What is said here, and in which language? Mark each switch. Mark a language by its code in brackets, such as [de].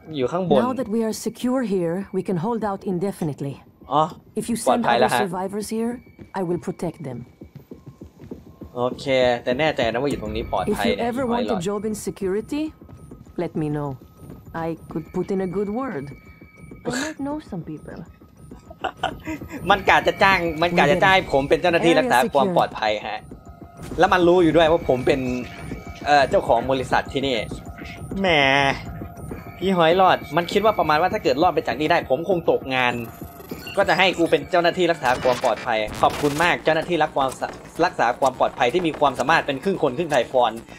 [th] อยู่ข้างบน [en] Now that we are secure here, we can hold out indefinitely. If you send our survivors here, I will protect them. Okay, [th] แต่แน่ใจนะว่าอยู่ตรงนี้ปลอดภัยแน่ๆ [en] If you ever want a job in security, let me know. I could put in a good word. I might know some people. [th] มันกะจะจ้างมันกะจะจ้างผมเป็นเจ้าหน้าที่รักษาความปลอดภัยฮะแล้วมันรู้อยู่ด้วยว่าผมเป็นเจ้าของบริษัทที่นี่แหมพี่หอยรอดมันคิดว่าประมาณว่าถ้าเกิดรอดไปจากนี้ได้ผมคงตกงานก็จะให้กูเป็นเจ้าหน้าที่รักษาความปลอดภัยขอบคุณมากเจ้าหน้าที่รักษาความปลอดภัยที่มีความสามารถเป็นครึ่งคนครึ่งไทฟอน